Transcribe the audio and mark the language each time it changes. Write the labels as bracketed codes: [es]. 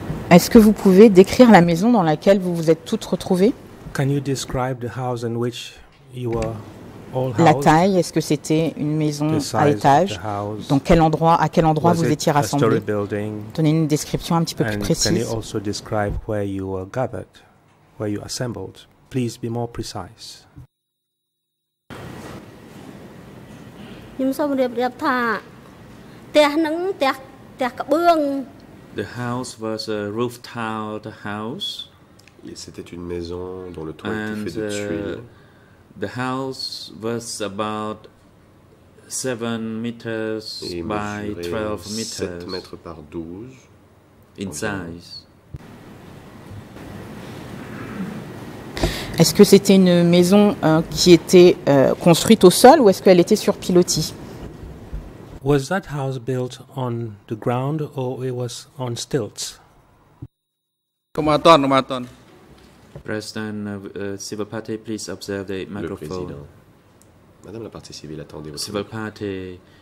[fr] Est-ce que vous pouvez décrire la maison dans laquelle vous vous êtes toutes retrouvées? [en] Can you describe the house in which you were all housed? [fr] La taille, est-ce que c'était une maison à étage? Dans quel endroit, à quel endroit vous étiez rassemblés? Donnez une description un petit peu [en] and [fr] plus précise. [en] Can you also describe where you were gathered, where you assembled? Please be more precise. The house was a roof-tiled house. [fr] Et c'était une maison dont le toit était fait de tuiles. [en] The house was about 7 meters by 12 meters. [fr] 7 mètres par 12. [en] In size. [fr] Est-ce que c'était une maison qui était construite au sol ou est-ce qu'elle était sur pilotis? [en] Was that house built on the ground or it was on stilts? Komaton, komaton. President civil party, please observe the microphone. [fr] Madame la partie civile, attendez votre [en] civil party.